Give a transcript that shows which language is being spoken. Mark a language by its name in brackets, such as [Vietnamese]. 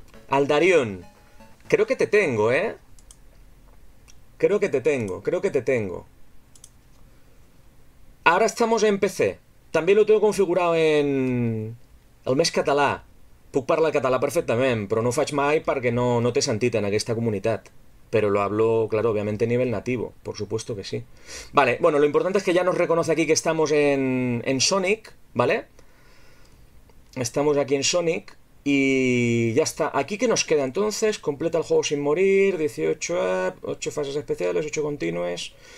[Spanish] Aldarión. Creo que te tengo, ¿eh? Creo que te tengo, creo que te tengo. Ahora estamos en PC. También lo tengo configurado en el mes català. [Catalan] Puc parlar català perfectament, però no ho faig mai perquè no té sentit en aquesta comunitat. [Spanish] Pero lo hablo, claro, obviamente a nivel nativo. Por supuesto que sí. Vale, bueno, lo importante es que ya nos reconoce aquí que estamos en Sonic, ¿vale? Estamos aquí en Sonic. Y ya está. ¿Aquí qué nos queda entonces? Completa el juego sin morir. 18 up, 8 fases especiales, 8 continues.